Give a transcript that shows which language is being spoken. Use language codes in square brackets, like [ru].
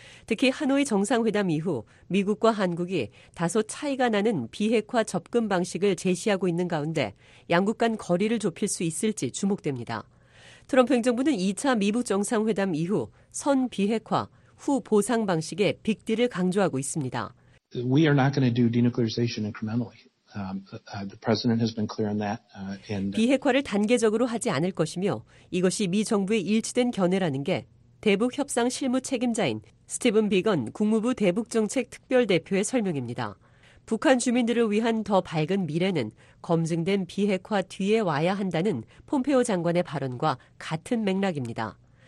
[ko] 특히 하노이 정상회담 이후 미국과 한국이 다소 차이가 나는 비핵화 접근 방식을 제시하고 있는 가운데 양국 간 거리를 좁힐 수 있을지 주목됩니다. 트럼프 행정부는 2차 미북 정상회담 이후 선 비핵화, 후 보상 방식의 빅딜을 강조하고 있습니다. [en] We are not going to do denuclearization incrementally. The president has been clear on that. [ko] 비핵화를 단계적으로 하지 않을 것이며 이것이 미 정부의 일치된 견해라는 게 대북 협상 실무 책임자인 스티븐 비건 국무부 대북정책 특별대표의 설명입니다. 북한 주민들을 위한 더 밝은 미래는 검증된 비핵화 뒤에 와야 한다는 폼페오 장관의 발언과 같은 맥락입니다.